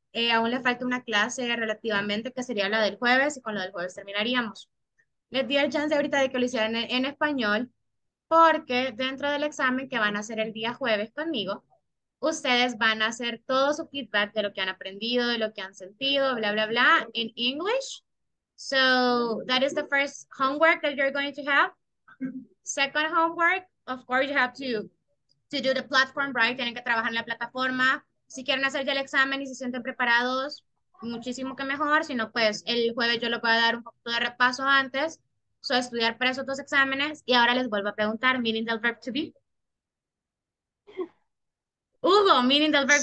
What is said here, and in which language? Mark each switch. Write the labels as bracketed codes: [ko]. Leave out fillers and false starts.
[es] Aún le falta una clase relativamente, que sería la del jueves, y con lo del jueves terminaríamos. Les di el chance ahorita de que lo hicieran en español, porque dentro del examen que van a hacer el día jueves conmigo, ustedes van a hacer todo su feedback de lo que han aprendido, de lo que han sentido, bla, bla, bla, [en] in English. So that is the first homework that you're going to have. Second homework, of course, you have to do the platform, right? [es] Tienen que trabajar en la plataforma. Si quieren hacer ya el examen y se sienten preparados, muchísimo que mejor. Si no, pues el jueves yo les voy a dar un poco de repaso antes. So estudiar para esos dos exámenes. Y ahora les vuelvo a preguntar, meaning del verb to be. Hugo, meaning del verb